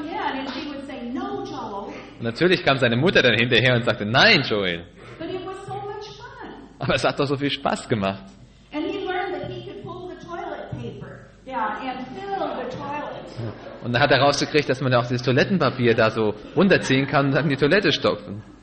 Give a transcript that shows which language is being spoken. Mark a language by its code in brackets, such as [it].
[de] Und natürlich kam seine Mutter dann hinterher und sagte, nein, Joel. [en] But it was so much fun. [de] Aber es hat doch so viel Spaß gemacht. [en] And he learned that he could pull the toilet paper down and fill the toilet. [de] Und dann hat er rausgekriegt, dass man auch dieses Toilettenpapier da so runterziehen kann und dann die Toilette stopfen.